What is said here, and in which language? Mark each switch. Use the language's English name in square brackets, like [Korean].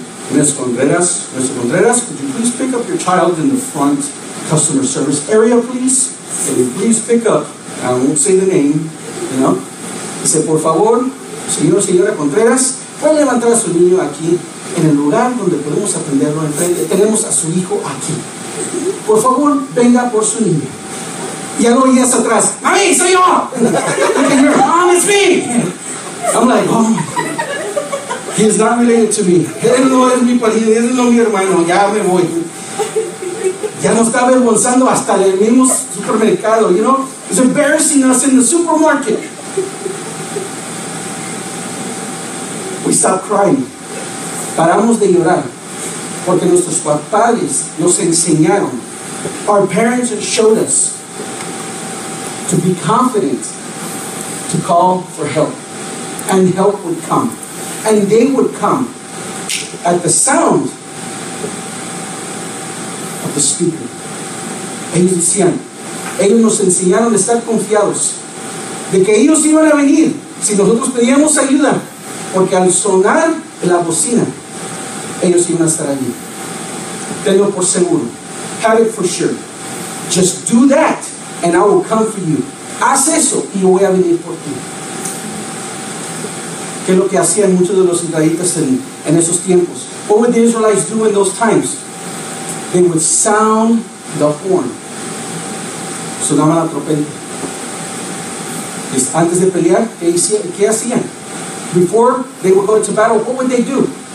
[English] Ms. Contreras, could you please pick up your child in the front customer service area, please? Can you please pick up? I won't say the name, you know. [Spanish] Dice, por favor, señor, señora Contreras, puede levantar a su niño aquí en el lugar donde podemos atenderlo en frente. Tenemos a su hijo aquí. Por favor, venga por su niño. Y algo y eso atrás. ¡Mami, soy yo! [English] And your mom is me! I'm like, oh, he is not related to me. [Spanish] Él no es mi pariente, él no es mi hermano. Ya me voy. Ya no está avergonzando hasta el mismo supermercado, [English] you know? It's embarrassing us in the supermarket. We stop crying. [Spanish] Paramos de llorar. Porque nuestros padres nos enseñaron. [English] Our parents showed us to be confident, to call for help. And help would come. And they would come at the sound of the speaker. [Spanish] Ellos decían, ellos nos enseñaron a estar confiados de que ellos iban a venir si nosotros pedíamos ayuda. Porque al sonar la bocina, ellos iban a estar allí. Tenlo por seguro. [English] Have it for sure. Just do that and I will come for you. [Spanish] Haz eso y yo voy a venir por ti. ¿Qué es lo que hacían muchos de los israelitas en esos tiempos? [English] What would the Israelites do in those times? They would sound the horn. [Spanish] Sonaba la trompeta. Antes de pelear, ¿qué hacían? [English] Before they would go to battle, what would they do?